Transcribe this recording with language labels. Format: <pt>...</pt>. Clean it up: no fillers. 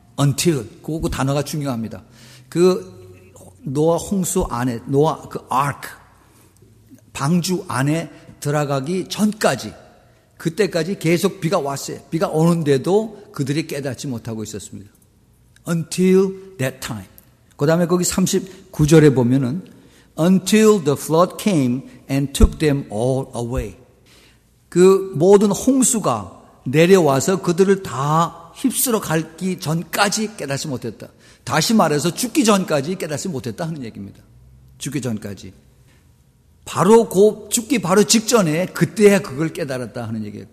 <en>Until</en> <ko>그 단어가 중요합니다. 그 노아 홍수 안에 노아 그 ark 방주 안에 들어가기 전까지. 그때까지 계속 비가 왔어요. 비가 오는데도 그들이 깨닫지 못하고 있었습니다.</ko> <en>Until that time.</en> <ko>그 다음에 거기 39절에 보면은</ko> <en>Until the flood came and took them all away.</en> <ko>그 모든 홍수가 내려와서 그들을 다 휩쓸어 갈기 전까지 깨닫지 못했다. 다시 말해서 죽기 전까지 깨닫지 못했다 하는 얘기입니다. 죽기 전까지. 바로 곧 죽기 바로 직전에 그때야 그걸 깨달았다 하는 얘기예요.</ko>